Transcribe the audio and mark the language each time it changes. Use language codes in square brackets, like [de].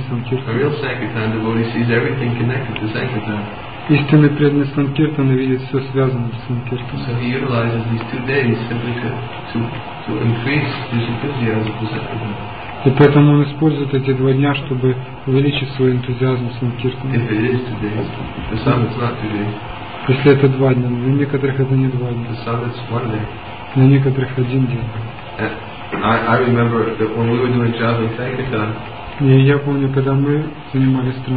[ru] санкиртана. Истинный преданный санкиртан видит все связанное с санкиртаном. [en] So he utilizes these 2 days simply to increase his enthusiasm for sankirtan. [ru] И поэтому он использует эти 2 дня, чтобы увеличить свой энтузиазм с санкиртаном. [en] If it is 2 days, for some it's not 2 days. [ru] Если это 2 дня, для некоторых это не 2 дня. [en] For some it's 1 day. [ru] Для некоторых 1 день. [en] I remember that when we were doing traveling sankirtan. [ru] И я помню, когда мы занимались